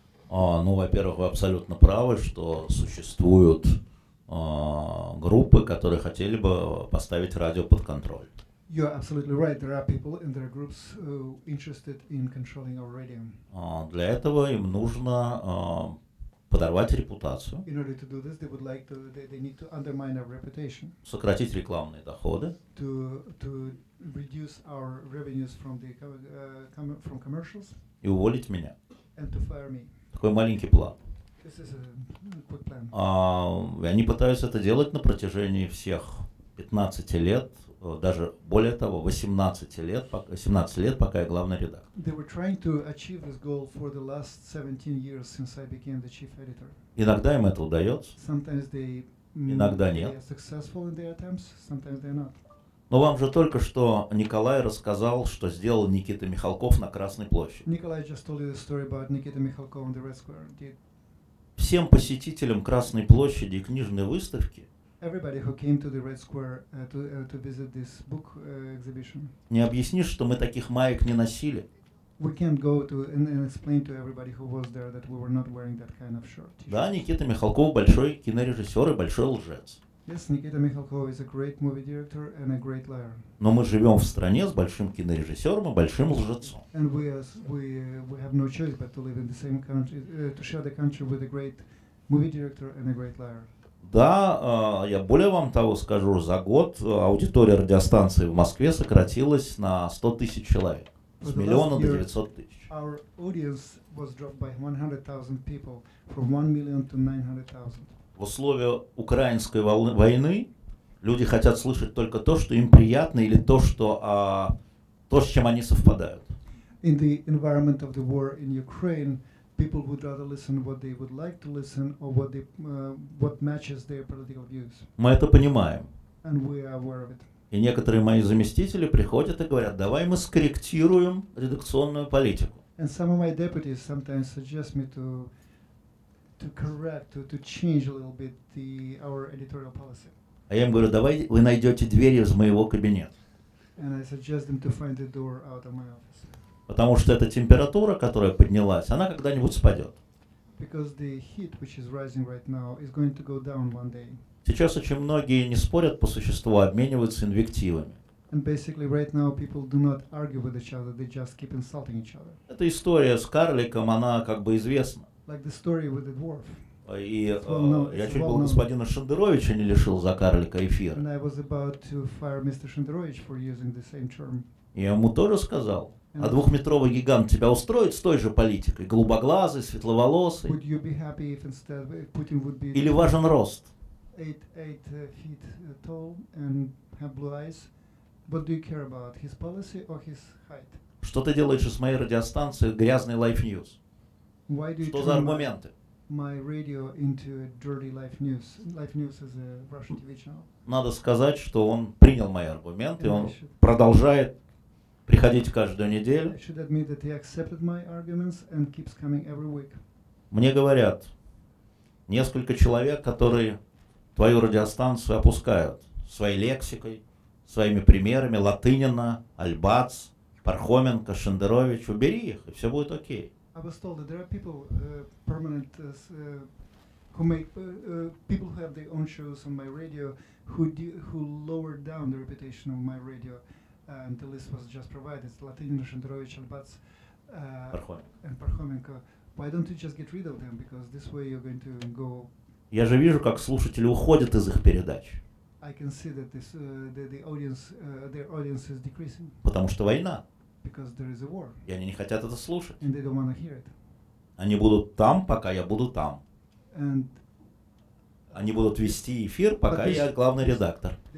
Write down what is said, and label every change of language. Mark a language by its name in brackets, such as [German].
[Russian] Ну, во-первых, вы абсолютно правы, что существуют группы, которые хотели бы поставить радио под контроль. [English] You are absolutely right. There are people and there are groups interested in controlling our radio. [Russian] Для этого им нужно подорвать репутацию, [English] in order to do this, they would like to, they need to undermine our reputation, [Russian] сократить рекламные доходы, [English] to reduce our revenues from the from commercials, [Russian] и уволить меня, [English] and to fire me. [Russian] Такой маленький план. [English] This is a quick plan. [Russian] Они пытаются это делать на протяжении всех 15 лет. Даже более того, 17 лет, пока я главный редактор. [English] They were trying to achieve this goal for the last 17 years since I became the chief editor. [Russian] Иногда им это удается. [English] Sometimes they [Russian] иногда нет. [English] They are successful in their attempts, sometimes they're not. [Russian] Но вам же только что Николай рассказал, что сделал Никита Михалков на Красной площади. [English] Николай just told you the story about Nikita Mikhalkov on the Red Square. [Russian] Всем посетителям Красной площади и книжной выставки [English] everybody who came to the Red Square to visit this book exhibition. [Russian] Не объяснишь, что мы таких маек не носили. [English] We can't go to and explain to everybody who was there that we were not wearing that kind of shirt. [Russian] Да, Никита Михалков большой кинорежиссер и большой лжец. [English] Yes, Никита Михалков is a great movie director and a great liar. [Russian] Но мы живем в стране с большим кинорежиссером и большим лжецом. [English] And we have no choice but to live in the same country to share the country with a great movie director and a great liar. [Russian] Да, я более вам того скажу, за год аудитория радиостанции в Москве сократилась на 100 тысяч человек. С миллиона до 900 тысяч. [English] Our audience was dropped by 100,000 people from 1 million to 900,000. [Russian] В условиях украинской войны люди хотят слышать только то, что им приятно, или то, что, то, с чем они совпадают. [English] In the environment of the war in Ukraine, people would rather listen what they would like to listen or what they what matches their political views. [Russian] Мы это понимаем. [English] And we are aware of it. [Russian] И некоторые мои заместители приходят и говорят: давай мы скорректируем редакционную политику. [English] And some of my deputies sometimes suggest me to correct, to change a little bit the our editorial policy. [Russian] А я им говорю: давай вы найдете двери из моего кабинета. [English] And I suggest them to find the door out of my office. [Russian] Потому что эта температура, которая поднялась, она когда-нибудь спадет. [English] Because the heat, which is rising right now, is going to go down one day. [Russian] Сейчас очень многие не спорят по существу, а обмениваются инвективами. [English] And basically right now people do not argue with each other, they just keep insulting each other. [Russian] Эта история с карликом, она как бы известна. [English] Like the story with the dwarf. [Russian] И я чуть был господина Шендеровича не лишил за карлика эфира. [English] And I was about to fire Mr. Шендерович for using the same term. [Russian] Я ему тоже сказал: а двухметровый гигант тебя устроит с той же политикой? Голубоглазый, светловолосый? [English] Would you be happy if instead Putin would be [Russian] или важен рост? [English] Eight feet tall and have blue eyes. What do you care about, his policy or his height? [Russian] Что ты делаешь с моей радиостанцией грязной Life News? [English] Why do you [Russian] что за аргументы? [English] My radio into a dirty Life News. Life News is a Russian TV channel. [Russian] Надо сказать, что он принял мои аргументы, [English] and [Russian] он продолжает приходить каждую неделю. [English] I should admit that he accepted my arguments and keeps coming every week. [Russian] Мне говорят несколько человек, которые твою радиостанцию опускают своей лексикой, своими примерами: Латынина, Альбац, Пархоменко, Шендерович. Убери их, и все будет окей. [English] I was told that there are people permanent who make people who have their own shows on my radio who lowered down the reputation of my radio. And the list was just provided. Latynin, Shendrovich, Albats, and Parchomenko. Why don't you just get rid of them? Because this way you're going to go. [Russian] Я же вижу, как слушатели уходят из их передач. [English] I can see that this their audience is decreasing. [Russian] Потому что война. [English] Because there is a war. [Russian] И они не хотят это слушать. [English] And they don't want to hear it. [Russian] Они будут там, пока я буду там. [English] And [Russian] они будут вести эфир, пока я главный редактор.